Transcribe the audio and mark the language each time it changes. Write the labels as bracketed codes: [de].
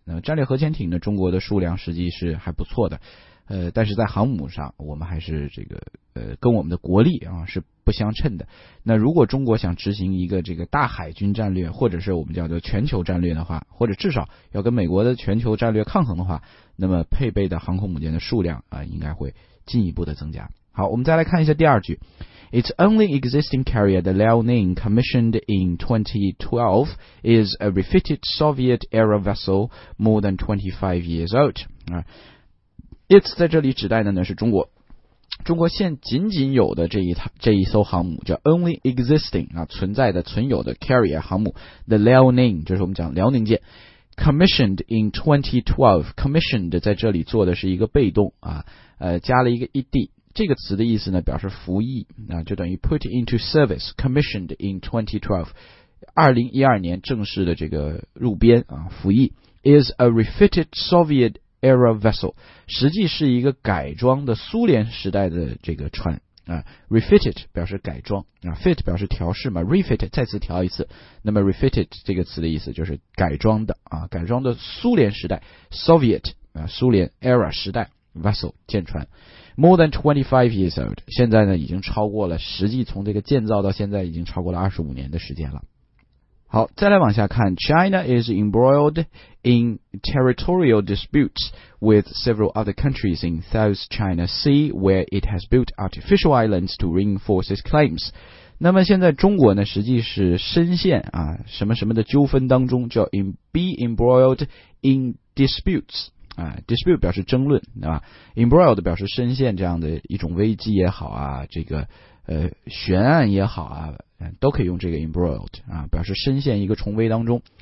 [zh] 那么战略核潜艇呢，中国的数量实际是还不错的，但是在航母上我们还是这个跟我们的国力啊是不相称的。那如果中国想执行一个这个大海军战略，或者是我们叫做全球战略的话，或者至少要跟美国的全球战略抗衡的话，那么配备的航空母舰的数量啊应该会进一步的增加。好，我们再来看一下第二句。 [en] Its only existing carrier, the Liaoning, commissioned in 2012, is a refitted Soviet-era vessel more than 25 years old. [zh] It's 在这里指代的呢是中国。中国现仅仅有的这一艘航母叫 only existing, 啊，存在的存有的 carrier 航母 the Liaoning, 就是我们讲辽宁舰。 [en] Commissioned in 2012, [zh] commissioned 在这里做的是一个被动啊，加了一个 ed。这个词的意思呢表示服役啊，就等于 [en] put into service, commissioned in 2012, [zh] 2012年正式的这个入编啊服役。 [en] is a refitted Soviet era vessel, [zh] 实际是一个改装的苏联时代的这个船啊。 refitted 表示改装啊， fit 表示调试嘛， refitted 再次调一次，那么 refitted 这个词的意思就是改装的啊，改装的苏联时代 Soviet 啊，苏联 era 时代 vessel 舰船。 [en] More than 25 years old, [zh] 现在呢已经超过了，实际从这个建造到现在已经超过了25年的时间了。好，再来往下看， [en] China is embroiled in territorial disputes with several other countries in South China Sea where it has built artificial islands to reinforce its claims. [zh] 那么现在中国呢实际是深陷啊什么什么的纠纷当中，叫 [en] be embroiled in disputes。 [zh] dispute 表示争论，对吧 ？embroiled 表示深陷这样的一种危机也好啊，这个悬案也好啊，都可以用这个 embroiled 啊，表示深陷一个重围当中。